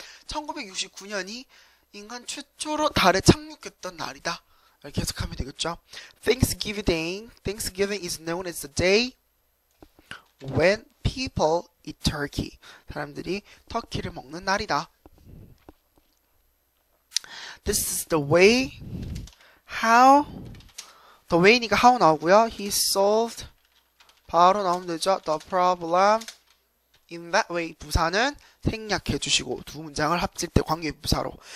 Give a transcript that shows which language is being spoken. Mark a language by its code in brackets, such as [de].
[ko] 1969년이 인간 최초로 달에 착륙했던 날이다. 이렇게 해석하면 되겠죠. [en] Thanksgiving Day. Thanksgiving is known as the day when people eat turkey. [ko] 사람들이 터키를 먹는 날이다. [en] This is the way. How? The way니까 how 나오고요. He solved. [ko] 바로 나오면 되죠. [en] The problem. [ko] In that way, 부사는 생략해 주시고, 두 문장을 합칠 때 관계 부사로.